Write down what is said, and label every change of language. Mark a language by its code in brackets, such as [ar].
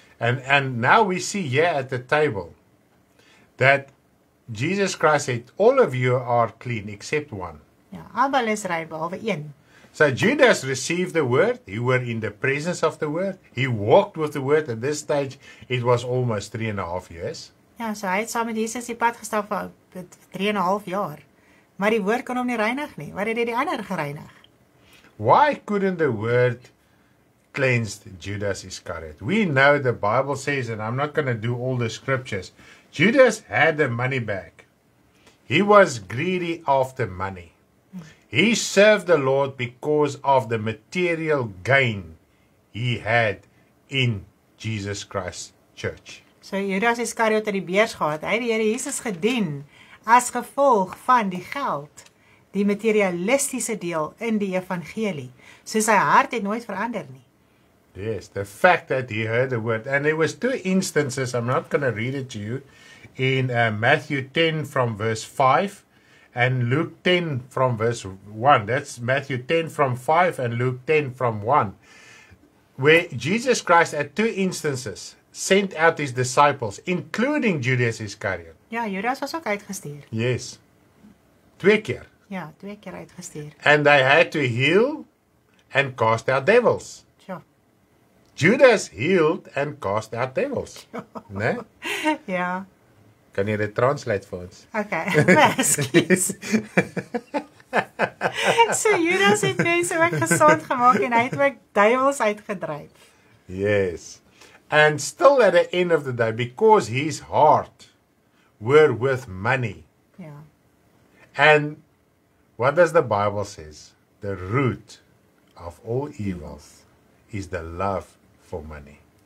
[en] And now we see here at the table that Jesus Christ said, all of you are clean except one. [af] Ja, almal is rein behalwe een. [en] So Judas received the word. He were in the presence of the word. He walked with the word. At this stage, it was almost 3.5 years. [af] Ja, so hy het saam met Jesus die pad gestap vir 3.5 jaar. Maar die woord kon hom nie reinig nie. Wat het die ander gereinig? [en] Why couldn't the word cleansed Judas Iscariot? We know the Bible says, and I'm not going to do all the scriptures, Judas had the money bag. He was greedy after money. He served the Lord because of the material gain he had in Jesus Christ's church. [af] So Judas Iscariot het die beurs gehad. Hy het die Here Jesus gedien as gevolg van die geld, die materialistiese deel in die evangelie. So sy hart het nooit verander nie. [en] Yes, the fact that he heard the word. And there was two instances, I'm not going to read it to you, in Matthew 10 from verse 5 and Luke 10 from verse 1. That's Matthew 10 from 5 and Luke 10 from 1. Where Jesus Christ at two instances sent out his disciples, including Judas Iscariot. [af] Ja, Judas was ook uitgestuur. Yes. Twee keer. Ja, twee keer uitgestuur. [en] And they had to heal and cast out devils. Judas healed and cast out devils. Né? [af] Ja. Kan jy dit translate vir ons? [en] Okay. [af] So Judas het mense ook gesond gemaak en hy het ook duivels uitgedryf. [en] Yes. And still at the end of the day, because his heart were with money. [af] Ja. [en] And what does the Bible say? The root of all evils is the love for money.